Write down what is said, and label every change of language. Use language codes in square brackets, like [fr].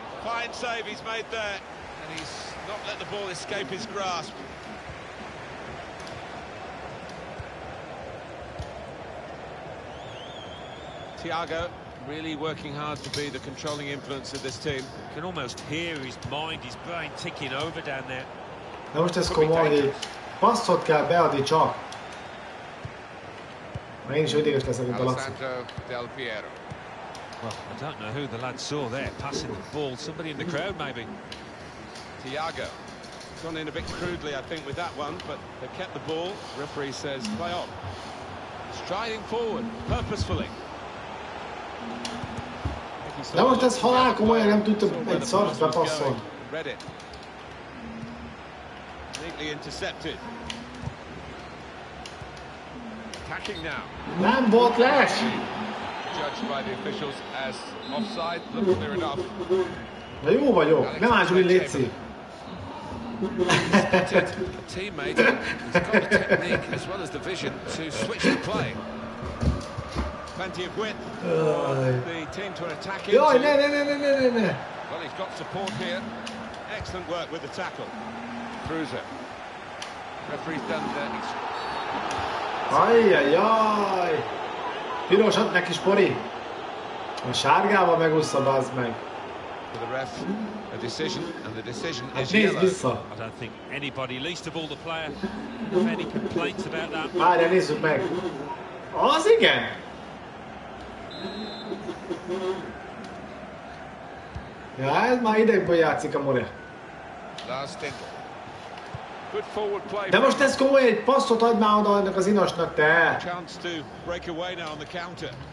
[en] Fine save he's made there. And he's not let the ball escape his grasp. Thiago really working hard to be the controlling influence of this team. You can almost hear his mind, his brain ticking over down there. [hu] Na most ez komoly, hogy passzot kell beadni csak. Már én is ödéges leszek, mint a Laci. [en] Del Piero. Well, I don't know who the lad saw there, passing the ball. Somebody in the crowd, maybe. Thiago. Gone in a bit crudely, I think, with that one, but they kept the ball. Referee says, play on. Striding forward, purposefully. [hu] Na most ez halál komolyan, nem tudtam egy szart bepasszolni. [en] Intercepted. Attacking now. [hu] Nem volt lesz. [en] Judged by the officials as offside, looked clear enough. [hu] Na jó vagyok, nem állj úgy létszi. [en] A teammate, he's got the technique as well as the vision to switch the play. Plenty of width. The team to an attack into. [hu] Jaj, ne. [en] Well, he's got support here. Excellent work with the tackle. Cruiser. Referee's done that. Ajajaj! [hu] Pirosat neki spori! A sárgával megúszta, bazd meg! [en] For the ref, a decision, and the decision [hu] hát [en] is yellow. [hu] Nézd vissza! [en] I don't think anybody, least of all the player, have any complaints about that. [hu] Várja, nézzük meg! Az igen! Ja, ez már idegből játszik a Mure. [en] Last in. Good forward play. [hu] De most ez komoly, egy passzot adj már oda annak az inasnak, te! [en] Chance to break away now on the counter.